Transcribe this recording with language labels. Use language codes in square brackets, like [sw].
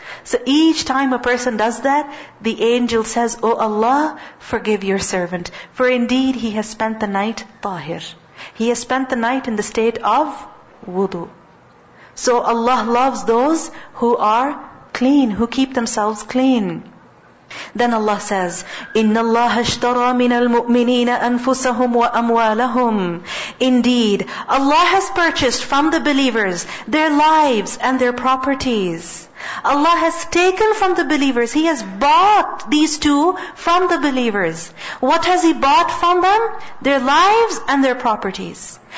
[en] So each time a person does that, the angel says, O Allah, forgive your servant. For indeed he has spent the night tahir. He has spent the night in the state of wudu. So Allah loves those who are clean, who keep themselves clean. Then Allah says, [ar] إِنَّ اللَّهَ اشْتَرَى مِنَ الْمُؤْمِنِينَ أَنفُسَهُمْ وَأَمْوَالَهُمْ. [en] Indeed, Allah has purchased from the believers their lives and their properties. Allah has taken from the believers, He has bought these two from the believers. What has He bought from them? Their lives and their properties.